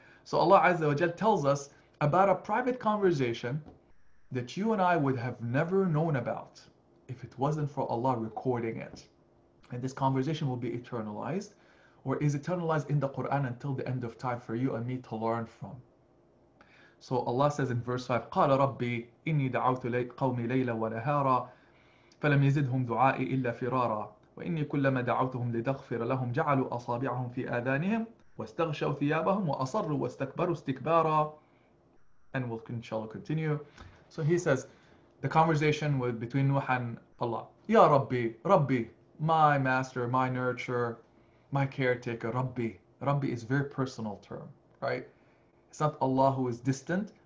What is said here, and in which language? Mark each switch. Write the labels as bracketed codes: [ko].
[en] So Allah Azza wa Jalla tells us about a private conversation that you and I would have never known about if it wasn't for Allah recording it. And this conversation will be eternalized, or is eternalized in the Quran until the end of time for you and me to learn from. So Allah says in verse 5, [ar] قَالَ رَبِّي إِنِّي دَعَوْتُ قَوْمِ لَيْلًا وَنَهَارًا فَلَمْ يَزِدْهُمْ دُعَائِي إِلَّا فِرَارًا وَإِنِّي كُلَّمَا دَعَوْتُهُمْ لِتَغْفِرَ لَهُمْ جَعَلُوا أَصَابِعَهُمْ فِي آذَانِهِمْ وَاسْتَغْشَوْا ثِيَابَهُمْ وَأَصَرُّوا وَاسْتَكْبَرُوا اسْتِكْبَارًا. [en] And we'll inshallah continue. So he says, the conversation with between Nuh and Allah. Ya Rabbi, Rabbi, my master, my nurturer, my caretaker, Rabbi. Rabbi is a very personal term, right? It's not Allah who is distant.